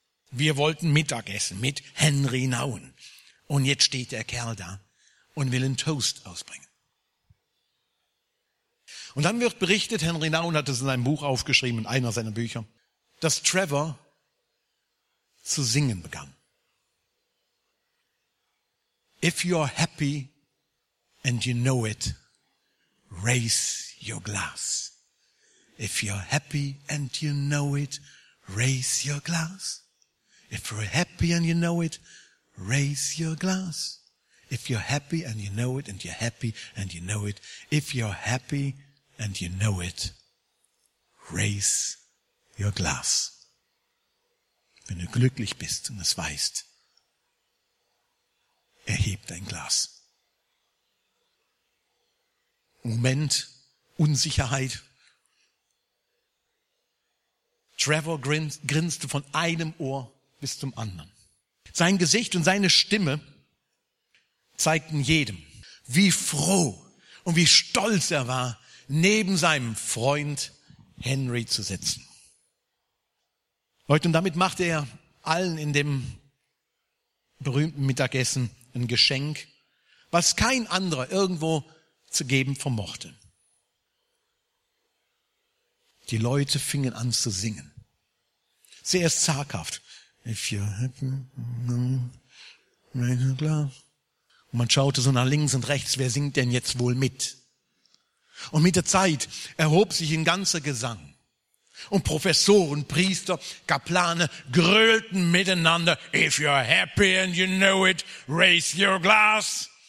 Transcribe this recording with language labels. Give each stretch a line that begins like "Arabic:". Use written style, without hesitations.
German: Wir wollten Mittagessen mit Henry Nauen. Und jetzt steht der Kerl da und will einen Toast ausbringen. Und dann wird berichtet, Henry Nauen hat es in seinem Buch aufgeschrieben, in einer seiner Bücher, dass Trevor zu singen begann.
English: If you're happy and you know it, raise your glass. If you're happy and you know it, raise your glass. If you're happy and you know it, raise your glass. If you're happy and you know it, and you're happy and you know it. If you're happy and you know it, raise your glass.
German: Wenn du glücklich bist und es weißt, erheb dein Glas. Moment, Unsicherheit. Trevor grinste von einem Ohr bis zum anderen. Sein Gesicht und seine Stimme zeigten jedem, wie froh und wie stolz er war, neben seinem Freund Henry zu sitzen. Leute, und damit machte er allen in dem berühmten Mittagessen ein Geschenk, was kein anderer irgendwo zu geben vermochte. Die Leute fingen an zu singen. Zuerst zaghaft.
English: If you're happy, no, raise your glass.
German: Und man schaute so nach links und rechts, wer singt denn jetzt wohl mit? Und mit der Zeit erhob sich ein ganzer Gesang. Und Professoren, Priester, Kaplane grölten miteinander,
English: if you're happy and you know it, raise your glass.